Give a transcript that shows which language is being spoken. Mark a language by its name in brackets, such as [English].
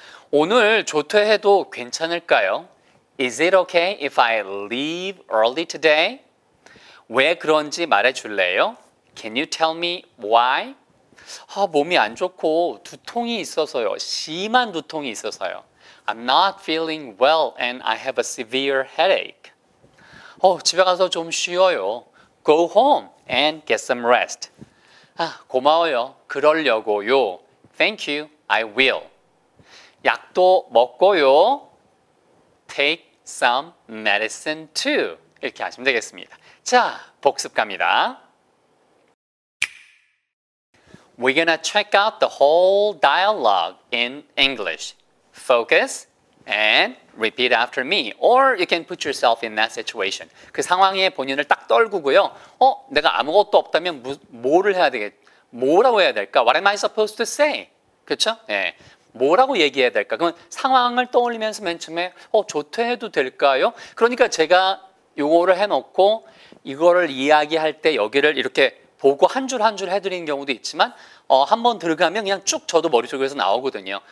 [Korean] 오늘 조퇴해도 괜찮을까요? [English] Is it okay if I leave early today? [Korean] 왜 그런지 말해 줄래요? [English] Can you tell me why? [Korean] 아, 몸이 안 좋고 두통이 있어서요. 심한 두통이 있어서요. [English] I'm not feeling well and I have a severe headache. [Korean] 집에 가서 좀 쉬어요. [English] Go home and get some rest. [Korean] 아, 고마워요. 그러려고요. [English] Thank you. I will. [Korean] 약도 먹고요. [English] Take some medicine too. [Korean] 이렇게 하시면 되겠습니다. 자, 복습 갑니다. [English] We're gonna check out the whole dialogue in English. Focus and repeat after me. Or you can put yourself in that situation. [Korean] 그 상황에 본인을 딱 떨구고요. 내가 아무것도 없다면 뭐를 해야 되겠지? 뭐라고 해야 될까? [English] What am I supposed to say? [Korean] 그쵸? 예. 뭐라고 얘기해야 될까? 그러면 상황을 떠올리면서 맨 처음에 조퇴해도 될까요? 그러니까 제가 이거를 해놓고 이거를 이야기할 때 여기를 이렇게 보고 한 줄 한 줄 해드리는 경우도 있지만 한번 들어가면 그냥 쭉 저도 머릿속에서 나오거든요.